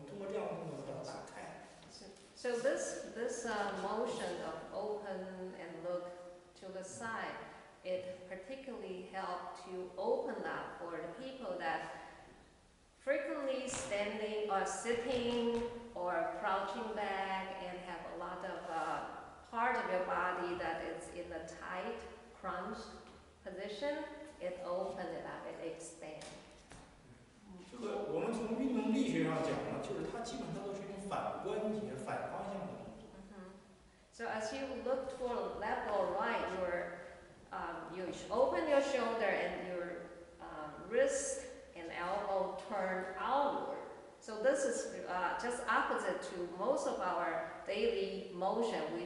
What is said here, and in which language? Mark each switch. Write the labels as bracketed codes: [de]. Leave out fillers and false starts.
[en] So this motion of open and look to the side, it particularly helps to open up for the people that frequently standing or sitting or crouching back and have a lot of part of your body that is in a tight, crunched position, it opens it up, it expands. [zh] 这个我们从运动力学上讲呢，就是它基本上都是一种反关节、反方向的动作。So [en] as you look toward left or right, you open your shoulder and your wrist and elbow turn outward. So this is just opposite to most of our daily motion.